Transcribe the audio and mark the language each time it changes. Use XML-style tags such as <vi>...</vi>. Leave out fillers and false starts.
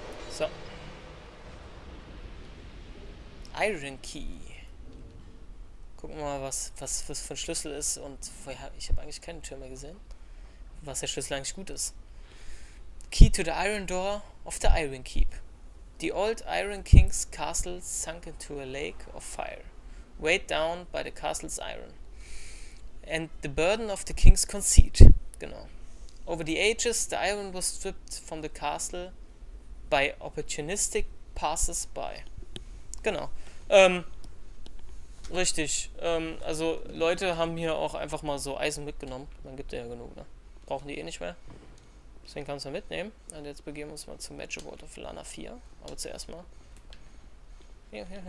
<de>So.</de> <en>Iron Key.</en> <de>Gucken wir mal, was für ein Schlüssel ist und vorher, ich habe eigentlich keine Tür mehr gesehen, was der Schlüssel eigentlich gut ist.</de> <en>Key to the Iron Door of the Iron Keep. The old Iron King's castle sunk into a lake of fire, weighed down by the castle's iron and the burden of the king's conceit.</en> <de>Genau.</de> <en>Over the ages, the iron was stripped from the castle by opportunistic passers-by.</en> <de>Genau. Richtig. Also Leute haben hier auch einfach mal so Eisen mitgenommen. Man gibt ja genug, ne? Brauchen die eh nicht mehr. Deswegen kannst du mitnehmen. Und jetzt begeben wir uns mal zum Magic Water für Lana 4. Aber zuerst mal. Hier.</de>